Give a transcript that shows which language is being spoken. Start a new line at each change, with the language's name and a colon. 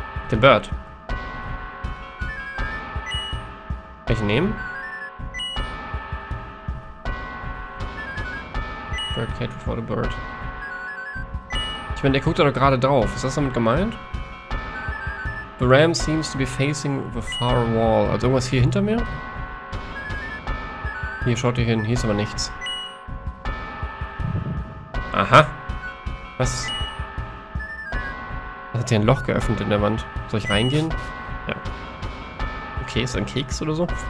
English: The Bird.
German: Welche nehmen?
English: Birdcage before the Bird.
German: Ich meine, der guckt da doch gerade drauf. Ist das damit gemeint?
English: The Ram seems to be facing the far wall.
German: Also irgendwas hier hinter mir? Hier, schaut ihr hin. Hier ist aber nichts. Aha. Was? Was hat hier ein Loch geöffnet in der Wand? Soll ich reingehen? Ja. Okay, ist ein Keks oder so?